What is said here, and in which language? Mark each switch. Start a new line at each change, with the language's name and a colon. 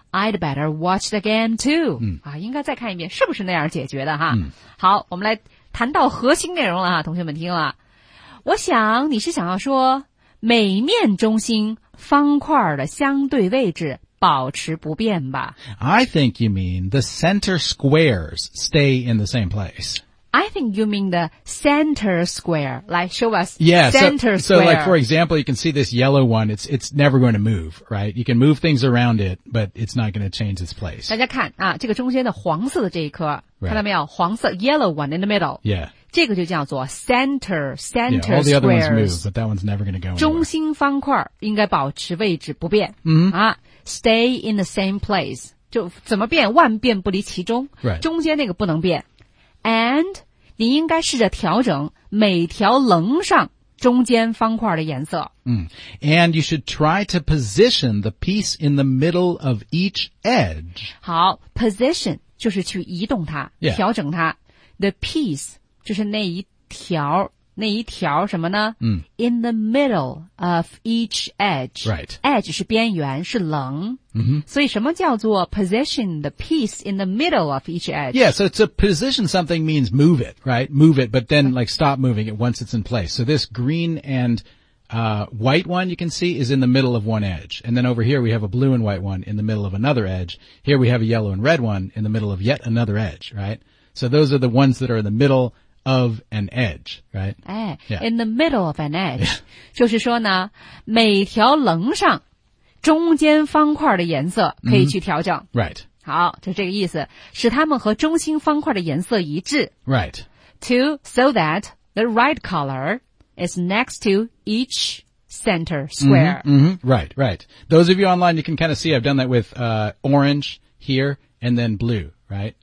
English: I'd better watch it again too、嗯
Chinese: 啊、应该再看一遍是不是那样解决的哈、嗯、好我们来谈到核心内容了同学们听了我想你是想要说每面中心方块的相对位置保持不变吧
English: I think you mean the center squares stay in the same place I think you mean the center square like show us yeah, center so, square so like for example you can see this yellow one it's never going to move right you can move things around it but it's not going to change its place
Chinese: 大家看啊，这个中间的黄色的这一颗、
English: right.
Chinese: 看到没有黄色
English: yellow one in the middle yeah
Chinese: 这个就叫做 center square
English: yeah, all the other ones move but that one's never going to go anywhere
Chinese: 中心方块应该保持位置不变、 mm-hmm. 啊、
English: stay in the same place
Chinese: 就怎么变万变不离其中、
English: right.
Chinese: 中间那个不能变And 你应该试着调整每条棱上中间方块的颜色。
English: 嗯、And you should try to position the piece in the middle of each edge.
Chinese: 好 ,position 就是去移动它、
English: yeah.
Chinese: 调整它。
English: The piece
Chinese: 就是那一条什么呢、嗯、
English: ?In the middle of each edge. Right.
Chinese: Edge 是边缘是棱。 Mm-hmm. 所以什么叫做
English: position the piece in the middle of each edge? Yeah, so to position something means move it, right? Move it, but then like stop moving it once it's in place. So this green and, white one you can see is in the middle of one edge. And then over here we have a blue and white one in the middle of another edge. Here we have a yellow and red one in the middle of yet another edge, right? So those are the ones that are in the middle of an edge, right? 哎、 yeah. In the middle of an edge,、 yeah.
Chinese: 就是说呢，每条棱上中间方块的颜色可以去调整、
English: mm-hmm. Right.
Chinese: 好，就这个意思，使它们和中心方块的颜色一致。
English: Right. To so that the right color is next to each center square. Mm-hmm. Mm-hmm. Right, right. Those of you online, you can kind of see I've done that with orange here and then blue, right?